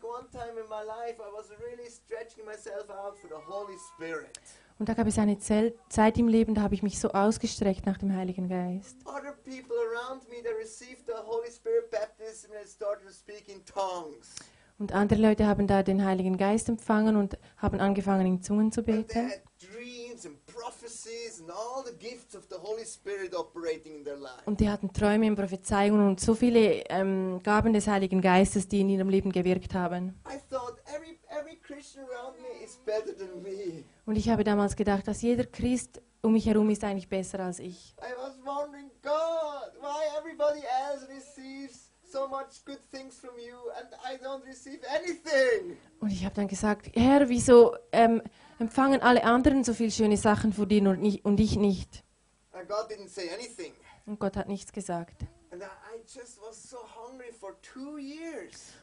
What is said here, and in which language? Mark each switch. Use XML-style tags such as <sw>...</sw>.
<en>Time in my life I was really stretching myself out for the Holy Spirit.</en> <de>Und da gab es eine Zeit im Leben, da habe ich mich so ausgestreckt nach dem Heiligen Geist.</de> <en>Other people around me they received the Holy Spirit baptism and started to speak in tongues.</en> <de>Und andere Leute haben da den Heiligen Geist empfangen und haben angefangen in Zungen zu beten.</de> <en>Dreams and prophecies and all the gifts of the Holy Spirit operating in their life.</en> <de>Und die hatten Träume und Prophezeiungen und so viele Gaben des Heiligen Geistes, die in ihrem Leben gewirkt haben.</de> <en>I thought every Christian around me is better than me.</en> <de>Und ich habe damals gedacht, dass jeder Christ um mich herum ist eigentlich besser als ich.</de> <en>I was wondering, God, why everybody else receives so much good things from you and I don't receive anything.</en> <de>Und ich habe dann gesagt, Herr, wieso empfangen alle anderen so viele schöne Sachen von dir und ich nicht.</de> <en>And God didn't say anything.</en> <de>Und Gott hat nichts gesagt.</de> <en>And I just was so hungry for 2 years.</en>